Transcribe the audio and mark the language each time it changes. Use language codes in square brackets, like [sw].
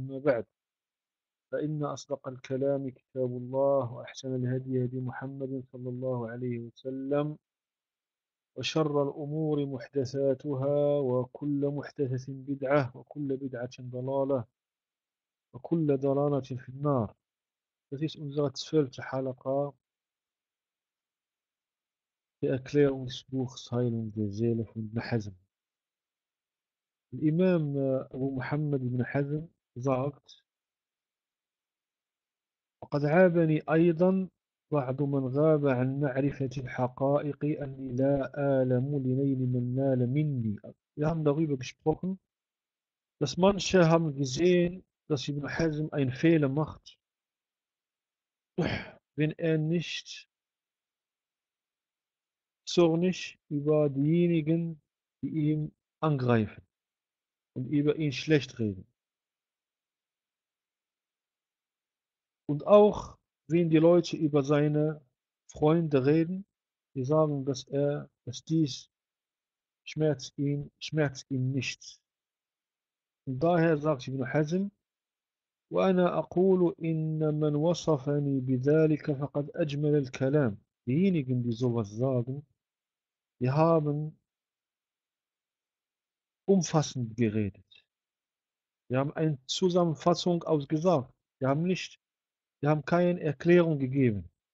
[ar] أما بعد، فإن أصدق الكلام كتاب الله، وأحسن الهدي هدي محمد صلى الله عليه وسلم، وشر الأمور محدثاتها، وكل محدثة بدعة، وكل بدعة ضلالة، وكل ضلالة في النار. [de] Das ist unsere zwölfte Halaqa, die Erklärung des Buchs Heilung der Seele von Ibn Hazm. Imam Abu Muhammad Ibn Hazm sagt: [ar] وقد عابني أيضا بعض من غاب عن معرفة الحقائق أني لا أعلم لنيل من نال مني. [de] Wir haben darüber gesprochen, dass manche haben gesehen, dass Ibn Hazm einen Fehler macht, wenn er nicht zornig über diejenigen, die ihn angreifen und über ihn schlecht reden. Und auch wenn die Leute über seine Freunde reden, die sagen, dass dies schmerzt ihn nicht. Und daher sagt Ibn Hazm: [ar] وأنا أقول إن من وصفني بذلك فقد أجمل الكلام. [de] Diejenigen, die sowas sagen, die haben umfassend geredet. Die haben eine Zusammenfassung ausgesagt. Die haben keine Erklärung gegeben.